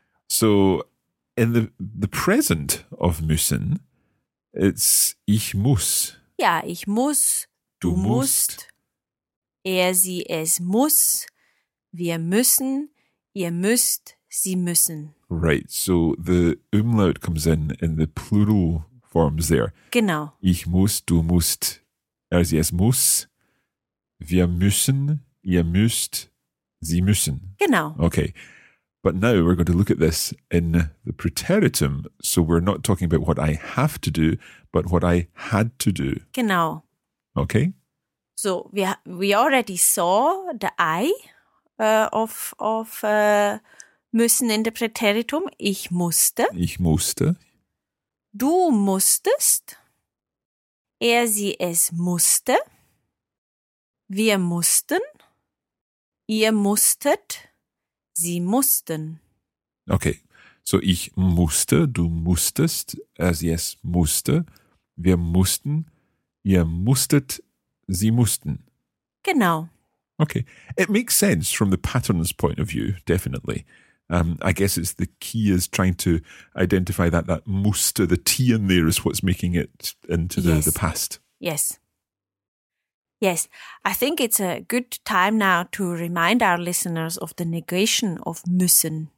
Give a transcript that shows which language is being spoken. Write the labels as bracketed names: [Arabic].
[English] So in the present of müssen, it's ich muss. [German] Ja, ich muss. Du musst. Er, sie, es muss. Wir müssen. Ihr müsst. Sie müssen. [English] Right, so the umlaut comes in the plural forms there. [German] Genau. Ich muss, du musst, er, sie, es muss, wir müssen, ihr müsst, sie müssen. Genau. [English] Okay. But now we're going to look at this in the preteritum. So we're not talking about what I have to do, but what I had to do. Genau. Okay. So we already saw the I müssen in the preteritum. [German] Ich musste. Ich musste. Du musstest, er, sie, es musste, wir mussten, ihr musstet, sie mussten. Okay, so ich musste, du musstest, er, sie, es musste, wir mussten, ihr musstet, sie mussten. Genau. [English] Okay, it makes sense from the pattern's point of view, definitely. I guess it's the key is trying to identify that muster, the T in there is what's making it into the past. Yes. Yes. I think it's a good time now to remind our listeners of the negation of müssen.